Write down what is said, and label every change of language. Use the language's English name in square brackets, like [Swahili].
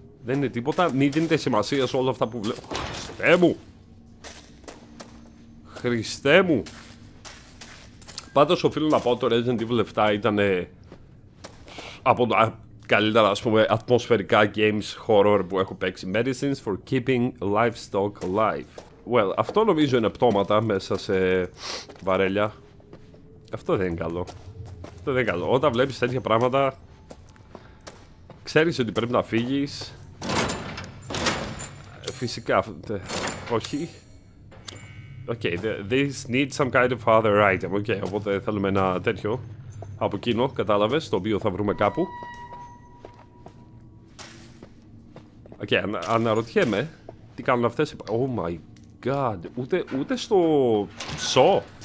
[Greek] Δεν είναι τίποτα, μη δίνετε σημασία σε όλα αυτά που βλέπω. Χριστέ μου. Πάντως οφείλω να πω, το Resident Evil 7 ήταν από τα καλύτερα, ας πούμε, ατμοσφαιρικά games horror που έχω παίξει. [English] Medicines for keeping livestock alive. [Greek] Well, αυτό νομίζω είναι πτώματα μέσα σε βαρέλια. Αυτό δεν είναι καλό. Αυτό δεν είναι καλό. Όταν βλέπεις τέτοια πράγματα, ξέρεις ότι πρέπει να φύγεις. Φυσικά. Όχι. [English] Okay, this needs some kind of other item. [Greek] Okay, οπότε θέλουμε ένα τέτοιο. Από εκείνο, κατάλαβες, το οποίο θα βρούμε κάπου. Okay, αναρωτιέμαι τι κάνουν αυτές. [English] Oh my god. [Greek] God, ούτε στο σο.